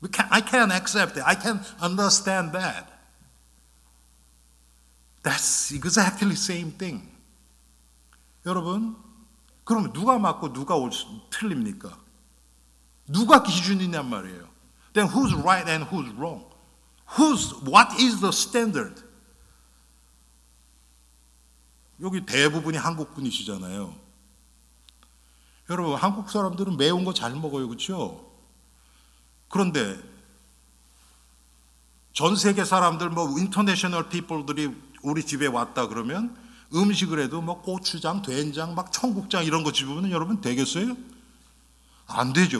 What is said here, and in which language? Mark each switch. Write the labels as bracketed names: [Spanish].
[English] I can't accept it. I can't understand that. That's exactly the same thing. [Korean] 여러분, 그럼 누가 맞고 누가 틀립니까? 누가 기준이냐 말이에요. [English] Then who's right and who's wrong? What is the standard? [Korean] 여기 대부분이 한국 분이시잖아요. 여러분, 한국 사람들은 매운 거 잘 먹어요, 그렇죠? 그런데 전 세계 사람들, 뭐 인터내셔널 피플들이 우리 집에 왔다 그러면 음식을 해도 뭐 고추장, 된장, 막 청국장 이런 거 집으면 여러분 되겠어요? 안 되죠.